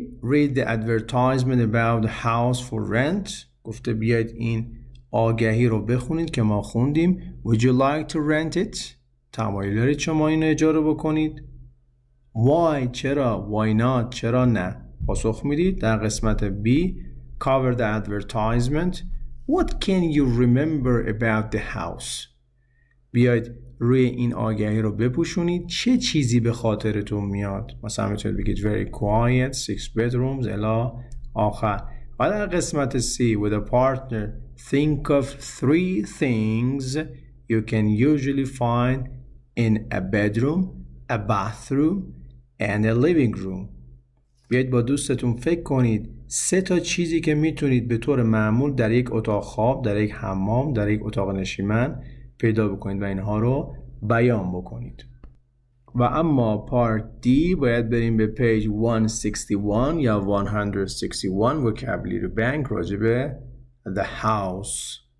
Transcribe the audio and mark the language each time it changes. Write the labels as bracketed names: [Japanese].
[English] Read the advertisement about the house for rent. [Persian] گفته بیاید این آگهی رو بخونید که ما خوندیم. [English] Would you like to rent it؟ [Persian] تمایل دارید شما این اجاره بکنید؟ [English] Why؟ [Persian] چرا؟ [English] Why not؟ [Persian] چرا نه؟ پاسخ میدید در قسمت B. [English] Cover the advertisement. What can you remember about the house؟ [Persian] بیاید روی این آگهی رو بپوشونید، چه چیزی به خاطرتون میاد؟ مثلا میتونید بگید [English] very quiet، [Persian] 6 bedrooms، الا آخر. و در قسمت C [English] with a partner، think of 3 things you can usually find in a bedroom، a bathroom and a living room. [Persian] بیاید با دوستتون فکر کنید 3 تا چیزی که میتونید به طور معمول در یک اتاق خواب، در یک حمام، در یک اتاق نشیمن پیدا بکنید و اینها رو بیان بکنید. و اما پارت دی، باید بریم به پیج 161 یا 161 وکابولری بانک راجبه the house.